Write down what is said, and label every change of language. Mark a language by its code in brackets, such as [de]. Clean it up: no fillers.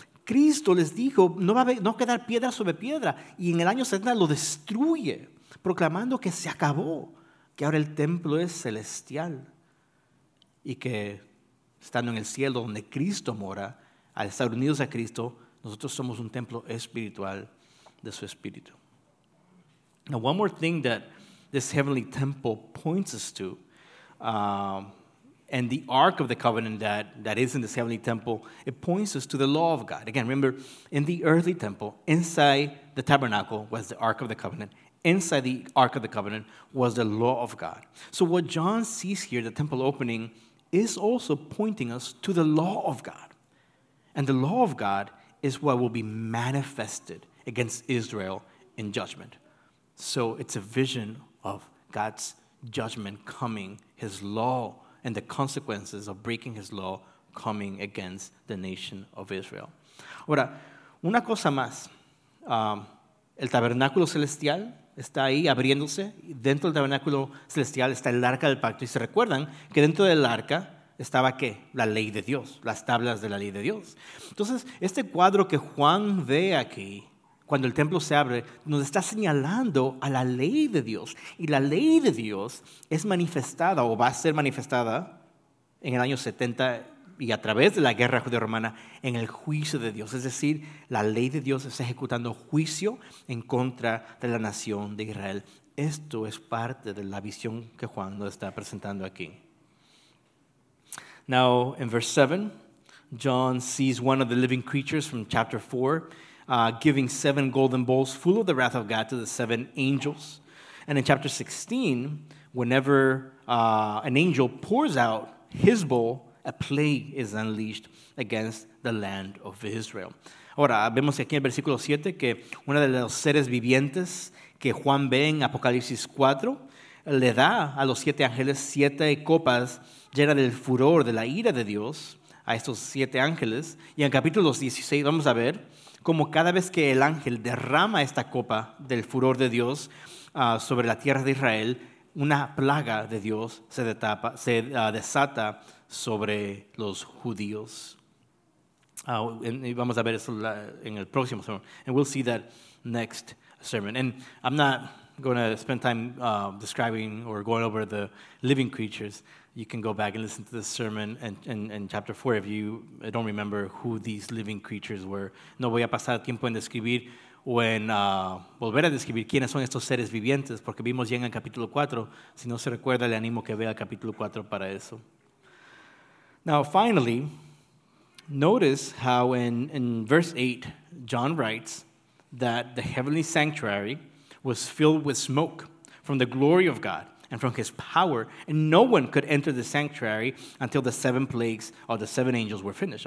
[es] Cristo les dijo, no va a quedar piedra sobre piedra, y en el año 70 lo destruye, proclamando que se acabó, que ahora el templo es celestial, y que estando en el cielo donde Cristo mora, al estar unidos a Cristo, nosotros somos un templo espiritual de su espíritu. [en] Now, one more thing that this heavenly temple points us to, and the Ark of the Covenant that is in this heavenly temple, it points us to the law of God. Again, remember, in the earthly temple, inside the tabernacle was the Ark of the Covenant. Inside the Ark of the Covenant was the law of God. So what John sees here, the temple opening, is also pointing us to the law of God. And the law of God is what will be manifested against Israel in judgment. So it's a vision of God's judgment coming, his law and the consequences of breaking his law coming against the nation of Israel. [es] Ahora, una cosa más. El tabernáculo celestial está ahí abriéndose. Dentro del tabernáculo celestial está el arca del pacto. Y se recuerdan que dentro del arca estaba, ¿qué? La ley de Dios, las tablas de la ley de Dios. Entonces, este cuadro que Juan ve aquí, cuando el templo se abre, nos está señalando a la ley de Dios. Y la ley de Dios es manifestada o va a ser manifestada en el año 70 y a través de la guerra judeo-romana en el juicio de Dios. Es decir, la ley de Dios está ejecutando juicio en contra de la nación de Israel. Esto es parte de la visión que Juan nos está presentando aquí. [en] Now, in verse 7, John sees one of the living creatures from chapter 4, giving 7 golden bowls full of the wrath of God to the 7 angels. And in chapter 16, whenever an angel pours out his bowl, a plague is unleashed against the land of Israel. [es] Ahora, vemos aquí en el versículo 7 que uno de los seres vivientes que Juan ve en Apocalipsis 4 le da a los 7 ángeles 7 copas llenas del furor de la ira de Dios a estos 7 ángeles. Y en capítulo 16 vamos a ver como cada vez que el ángel derrama esta copa del furor de Dios sobre la tierra de Israel, una plaga de Dios se desata sobre los judíos. Y vamos a ver eso en el próximo sermon. [en] And we'll see that next sermon. And I'm not going to spend time describing or going over the living creatures, you can go back and listen to the sermon and chapter 4 if you don't remember who these living creatures were. [es] No voy a pasar tiempo en describir o en volver a describir quiénes son estos seres vivientes, porque vimos ya en el capítulo 4. Si no se recuerda, le animo que vea el capítulo 4 para eso. [en] Now, finally, notice how in verse 8, John writes that the heavenly sanctuary was filled with smoke from the glory of God and from his power, and no one could enter the sanctuary until the seven plagues or the seven angels were finished.